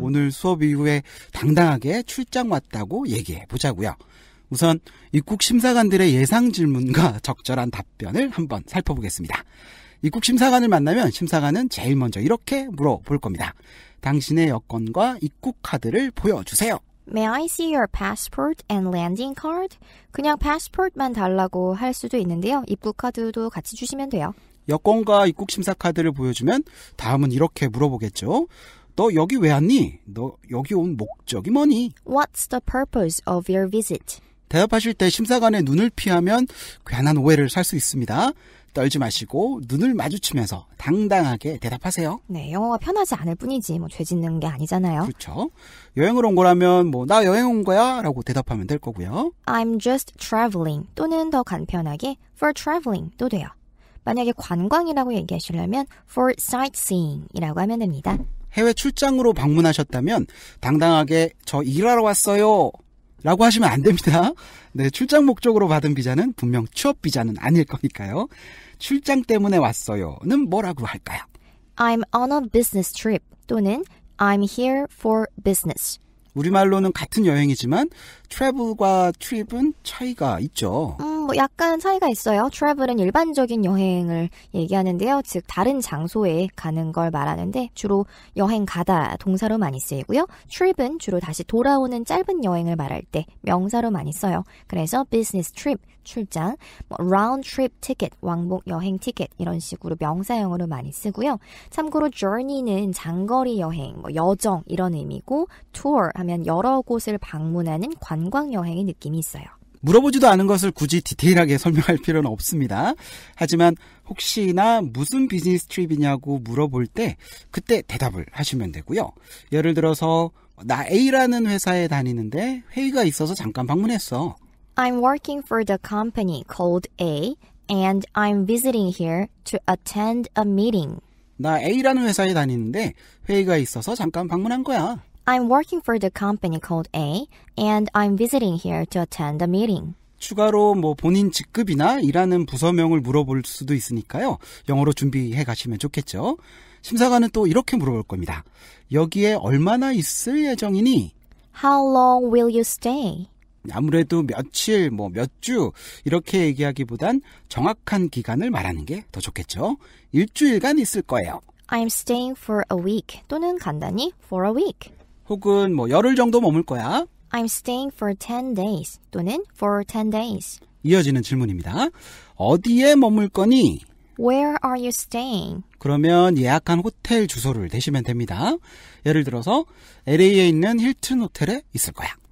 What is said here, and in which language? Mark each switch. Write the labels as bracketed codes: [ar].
[ko] 오늘 수업 이후에 당당하게 출장 왔다고 얘기해보자고요. 우선 입국 심사관들의 예상 질문과 적절한 답변을 한번 살펴보겠습니다. 입국 심사관을 만나면 심사관은 제일 먼저 이렇게 물어볼 겁니다. 당신의 여권과 입국 카드를 보여주세요. [en] May I see your passport and landing card? [ko] 그냥 passport만 달라고 할 수도 있는데요. 입국 카드도 같이 주시면 돼요. 여권과 입국 심사 카드를 보여주면 다음은 이렇게 물어보겠죠. 너 여기 왜 왔니? 너 여기 온 목적이 뭐니? [en] What's the purpose of your visit? [ko] 대답하실 때 심사관의 눈을 피하면 괜한 오해를 살 수 있습니다. 떨지 마시고 눈을 마주치면서 당당하게 대답하세요. 네, 영어가 편하지 않을 뿐이지 뭐 죄 짓는 게 아니잖아요. 그렇죠. 여행을 온 거라면 뭐 나 여행 온 거야 라고 대답하면 될 거고요. [en] I'm just traveling [ko] 또는 더 간편하게 [en] for traveling도 돼요. [ko] 만약에 관광이라고 얘기하시려면 for sightseeing이라고 하면 됩니다. 해외 출장으로 방문하셨다면 당당하게 저 일하러 왔어요 라고 하시면 안 됩니다. 네, 출장 목적으로 받은 비자는 분명 취업 비자는 아닐 거니까요. 출장 때문에 왔어요는 뭐라고 할까요? [en] I'm on a business trip [ko] 또는 [en] I'm here for business. [ko] 우리말로는 같은 여행이지만 travel과 trip은 차이가 있죠. 뭐 약간 차이가 있어요. travel은 일반적인 여행을 얘기하는데요. 즉 다른 장소에 가는 걸 말하는데 주로 여행 가다 동사로 많이 쓰이고요. trip은 주로 다시 돌아오는 짧은 여행을 말할 때 명사로 많이 써요. 그래서 business trip, 출장, 뭐 round trip ticket, 왕복 여행 ticket 이런 식으로 명사형으로 많이 쓰고요. 참고로 journey는 장거리 여행, 뭐 여정 이런 의미고 tour 하면 여러 곳을 방문하는 관광 여행의 느낌이 있어요. 물어보지도 않은 것을 굳이 디테일하게 설명할 필요는 없습니다. 하지만 혹시나 무슨 비즈니스 트립이냐고 물어볼 때 그때 대답을 하시면 되고요. 예를 들어서 나 A라는 회사에 다니는데 회의가 있어서 잠깐 방문했어. [en] I'm working for the company called A and I'm visiting here to attend a meeting. [ko] 나 A라는 회사에 다니는데 회의가 있어서 잠깐 방문한 거야. [en] I'm working for the company called A, and I'm visiting here to attend a meeting. [ko] 추가로 뭐 본인 직급이나 일하는 부서명을 물어볼 수도 있으니까요. 영어로 준비해 가시면 좋겠죠. 심사관은 또 이렇게 물어볼 겁니다. 여기에 얼마나 있을 예정이니? [en] How long will you stay? [ko] 아무래도 며칠, 뭐 몇 주 이렇게 얘기하기보단 정확한 기간을 말하는 게 더 좋겠죠. 일주일간 있을 거예요. [en] I'm staying for a week, [ko] 또는 간단히 [en] for a week. [ko] 혹은 뭐 열흘 정도 머물 거야. [en] I'm staying for 10 days [ko] 또는 [en] for 10 days. [ko] 이어지는 질문입니다. 어디에 머물 거니? [en] Where are you staying? [ko] 그러면 예약한 호텔 주소를 대시면 됩니다. 예를 들어서 LA에 있는 힐튼 호텔에 있을 거야.